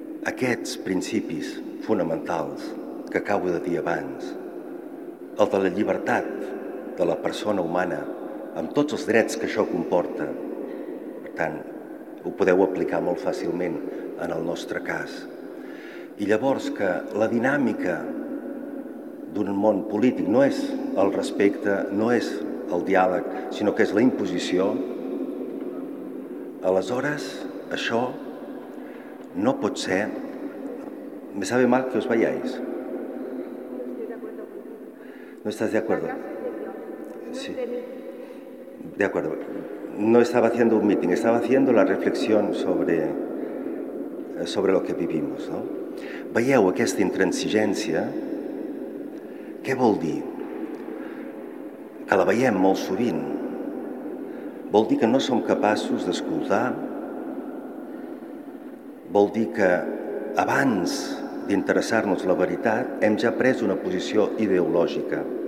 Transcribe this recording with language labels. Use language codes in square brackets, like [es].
[ca] aquests principis fonamentals que acabo de dir abans, el de la llibertat de la persona humana amb tots els drets que això comporta, per tant, ho podeu aplicar molt fàcilment en el nostre cas, i llavors que la dinàmica d'un món polític no és el respecte, no és el diàleg, sinó que és la imposició, aleshores això no pot ser. [es] Me sabe mal que os vayáis. No estás de acuerdo. Sí. De acuerdo. No estaba haciendo un meeting, estaba haciendo la reflexión sobre lo que vivimos, ¿no? [ca] Veieu aquesta intransigència, què vol dir? Que la veiem molt sovint. Vol dir que no som capaços d'escoltar, vol dir que abans d'interessar-nos la veritat hem ja pres una posició ideològica.